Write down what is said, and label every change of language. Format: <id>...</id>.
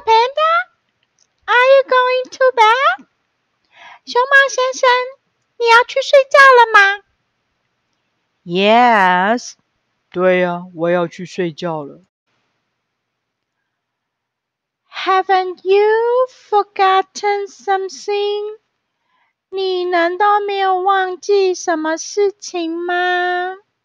<en>Panda, are you going to bed?</en> <zh>熊猫先生，你要去睡觉了吗</zh> <en>？Yes.</en> <zh>对呀，我要去睡觉了。</zh> <en>Haven't you forgotten something?</en> <zh>你难道没有忘记什么事情吗</zh>